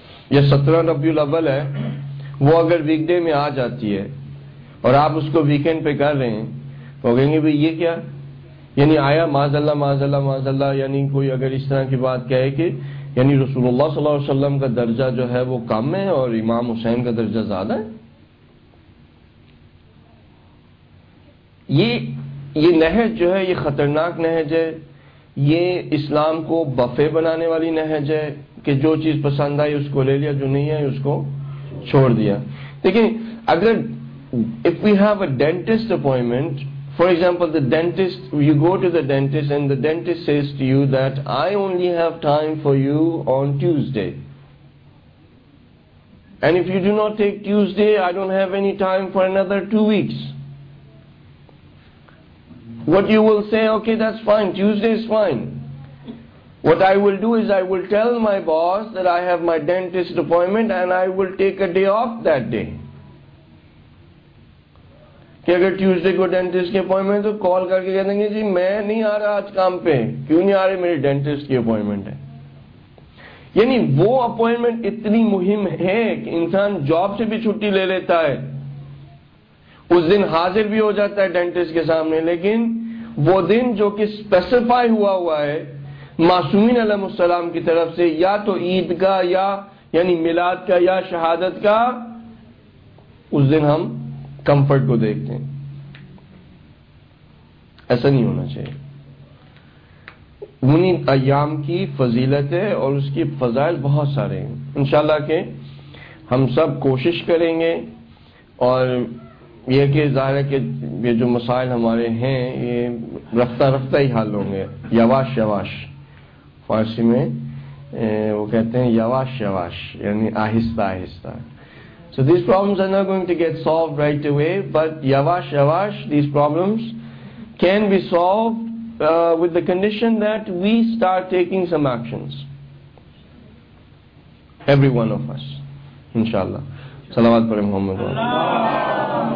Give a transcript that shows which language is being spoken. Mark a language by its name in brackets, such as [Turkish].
[Urdu] یہ 17 ربیع الاول ہے, وہ اگر ویک ڈے میں آ جاتی ہے اور آپ اس کو ویکینڈ پہ کر رہے ہیں تو کہیں گے بھائی یہ کیا, یعنی آیا معاذ اللہ یعنی کوئی اگر اس طرح کی بات کہے کہ یعنی رسول اللہ صلی اللہ علیہ وسلم کا درجہ جو ہے وہ کم ہے اور امام حسین کا درجہ زیادہ ہے؟ یہ نہج جو ہے یہ خطرناک نہج ہے, یہ اسلام کو بفے بنانے والی نہج ہے کہ جو چیز پسند آئی اس کو لے لیا, جو نہیں ہے اس کو چھوڑ دیا. دیکھیں اگر [English] if we have a dentist appointment, for example the dentist, you go to the dentist and the dentist says to you that I only have time for you on Tuesday, and if you do not take Tuesday I don't have any time for another 2 weeks, what you will say? Okay, that's fine, Tuesday is fine. What I will do is I will tell my boss that I have my dentist appointment and I will take a day off that day. [Urdu] کہ اگر Tuesday کو dentist کی appointment تو کال کر کے کہہ دیں گے جی میں نہیں آ رہا آج کام پہ, کیوں نہیں آ رہے, میری ڈینٹسٹ کی اپوائنٹمنٹ ہے. یعنی وہ اپوائنٹمنٹ اتنی مہم ہے کہ انسان جاب سے بھی چھٹی لے لیتا ہے, اس دن حاضر بھی ہو جاتا ہے ڈینٹسٹ کے سامنے, لیکن وہ دن جو کہ اسپیسیفائی ہوا ہے معصومین علیہ السلام کی طرف سے, یا تو عید کا یا یعنی میلاد کا یا شہادت کا, اس دن ہم کمفرٹ کو دیکھتے ہیں. ایسا نہیں ہونا چاہیے, انہی ایام کی فضیلت ہے اور اس کے فضائل بہت سارے ہیں. انشاءاللہ کہ ہم سب کوشش کریں گے, اور یہ کہ ظاہر ہے کہ یہ جو مسائل ہمارے ہیں یہ رفتہ رفتہ ہی حل ہوں گے, یواش یواش. فارسی میں وہ کہتے ہیں یواش یواش, یعنی آہستہ آہستہ. [English] So these problems are not going to get solved right away, but yavash yavash, these problems can be solved with the condition that we start taking some actions. Every one of us, inshallah. [Urdu] Salawat pare Muhammad.